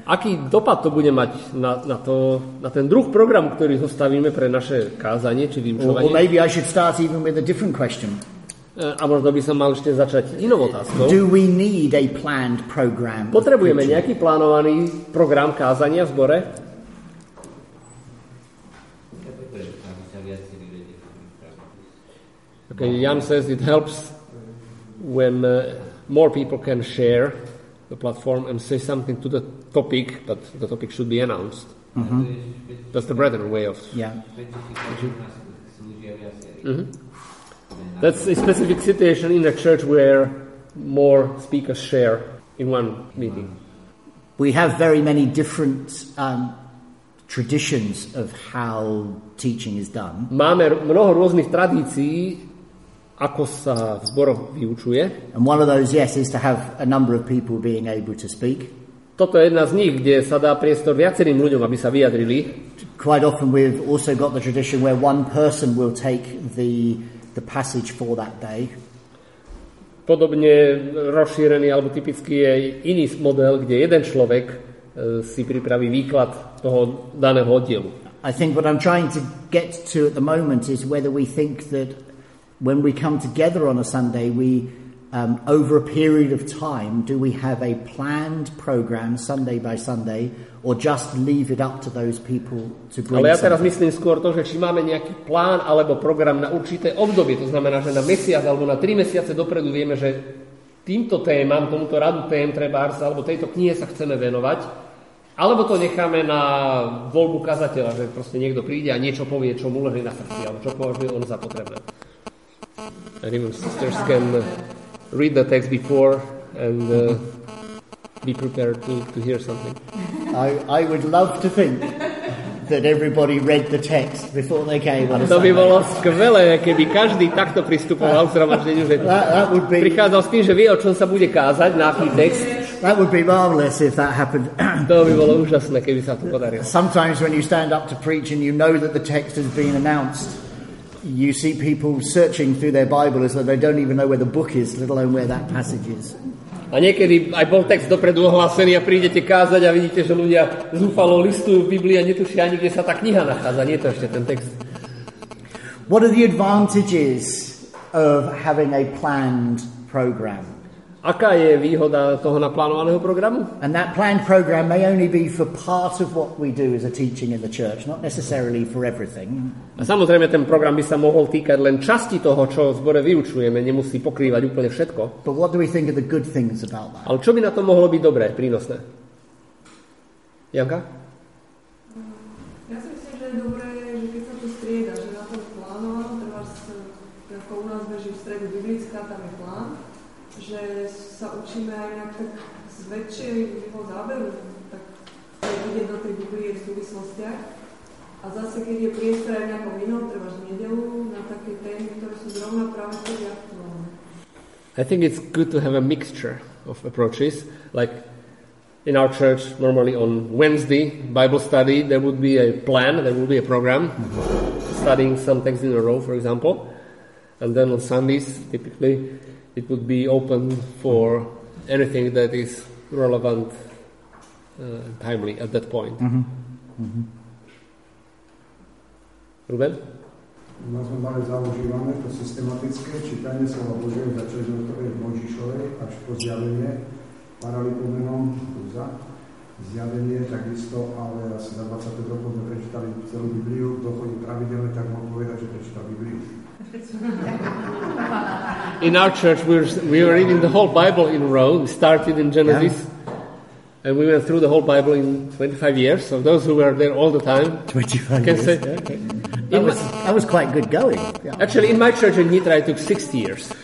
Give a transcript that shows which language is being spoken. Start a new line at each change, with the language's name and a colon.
Slovak: Aký dopad to bude mať na ten druh programu, ktorý zostavíme pre naše kázanie či vyučovanie?
English: Or maybe I should start even with a different question.
Slovak: A možno by som mal ešte začať inou otázkou.
English: Do we need a planned program?
Slovak: Potrebujeme nejaký plánovaný program kázania v zbore?
English: Okay, Jan says it helps when more people can share the platform and say something to the topic, but the topic should be announced. Mm-hmm. That's the brethren way of... Yeah. Mm-hmm. That's a specific situation in a church where more speakers share in one meeting. We have very many different traditions of how teaching is done.
Slovak: Máme mnoho rôznych tradícií, ako sa v zboroch vyučuje.
English: And one of those, yes, is to have a number of people being able to speak.
Slovak: Toto je jedna z nich, kde sa dá priestor viacerým ľuďom, aby sa vyjadrili.
English: Quite often we've also got the tradition where one person will take the passage for that day.
Slovak: Podobne rozšírený alebo typický je iný model, kde jeden človek si pripraví výklad toho daného oddielu.
English: I think what I'm trying to get to at the moment is whether we think that when we come together on a Sunday, we over a period of time, do we have a planned program Sunday by Sunday, or just leave it up to those people to bring?
Slovak: Ale ja teraz myslím skôr to, že či máme nejaký plán alebo program na určité obdobie. To znamená, že na mesiac alebo na 3 mesiace dopredu vieme, že týmto témam, tomuto radu tém trebárs, alebo tejto knihe sa chceme venovať, alebo to necháme na voľbu kazateľa, že proste niekto príde a niečo povie, čo mu leží na srdci, alebo čo považuje on za potrebné.
English: And even sisters can read the text before and be prepared to hear something. I would love to think that everybody read the text before they came.
Slovak: A to by bolo skvelé, keby každý takto pristupoval k zhromaždeniu, že prichádzal s tým, že vie, o čom sa bude kázať, na aký text.
English: That would be marvelous if that happened.
Slovak: To by bolo úžasné, keby sa to podarilo.
English: Sometimes when you stand up to preach and you know that the text has been announced, you see people searching through their Bible as though they don't even know where the book is, let alone where that passage is.
Slovak: A niekedy aj bol text dopredu ohlásený a prídete kázať a vidíte, že ľudia zúfalo listujú v Biblii a netušia ani, kde sa tá kniha nachádza. Nie to ešte ten text.
English: What are the advantages of having a planned program?
Slovak: Aká je výhoda toho naplánovaného programu?
English: And that planned program may only be for part of what we do as a teaching in the church, not necessarily for everything.
Slovak: A samozrejme, ten program by sa mohol týkať len časti toho, čo v zbore vyučujeme, nemusí pokrývať úplne všetko.
English: But what do we think are the good things about that?
Slovak: Ale čo by na to mohlo byť dobré, prínosné? Janka? Ja si myslím, že je dobré, že keď sa to strieda, že na to plánovalo, treba, ako u nás beží v stredu biblická, tam je plán, že sa učíme aj nejak tak z väčšieho záberu, tak vidieť do tej Biblie v súvislostiach. A zase, keď je priestor aj nejakom inom, treba v nedelu, na také témy, ktoré sú zrovna práve tedy aktuálne.
English: I think it's good to have a mixture of approaches, like in our church, normally on Wednesday, Bible study, there would be a plan, there would be a program, studying some texts in a row, for example. And then on Sundays, typically, it would be open for anything that is relevant and timely at that point. Ruben?
Slovak: My sme mali zaužívané to systematické čítanie slova Božieho, začali sme to v Mojžišovej, až po zjavenie, paralipomenom, zjavenie takisto, ale asi za 20 rokov sme prečítali celú Bibliu, kto chodí pravidelne, tak mohol povedať, že prečítal Bibliu.
English: In our church we were reading the whole Bible in a row. We started in Genesis, and we went through the whole Bible in 25 years. So those who were there all the time, 25 can years. Say, okay. That was quite good going. Yeah. Actually, in my church in Nitra it took 60 years.